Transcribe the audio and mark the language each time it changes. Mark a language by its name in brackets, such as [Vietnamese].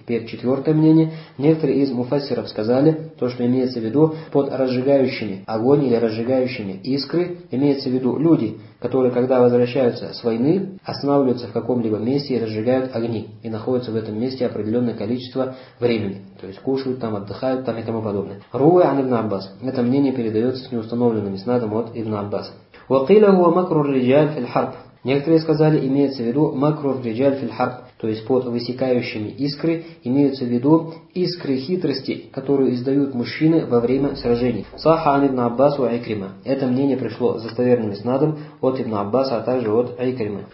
[Russian] Теперь четвертое мнение. Некоторые из муфассиров сказали, то что имеется в виду под разжигающими огонь или разжигающими искры, имеется в виду люди, которые, когда возвращаются с войны, останавливаются в каком-либо месте и разжигают огни. И находятся в этом месте определенное количество времени. То есть кушают там, отдыхают там и тому подобное. [Arabic] Руи ан ибн Аббас. [Russian] Это мнение передается с неустановленным иснадом от ибн Аббаса. [Arabic] وقيل هو مكر الرجال في الحرب. [Russian] Некоторые сказали, имеется в виду [Arabic] макру риджаль филь харб, [Russian] то есть под высекающими искры имеются в виду искры хитрости, которые издают мужчины во время сражений. [Arabic] Саха ан ибн Аббас ва Айкрима. [Russian] Это мнение пришло с достоверным иснадом от ибн Аббаса, а также от Айкрима.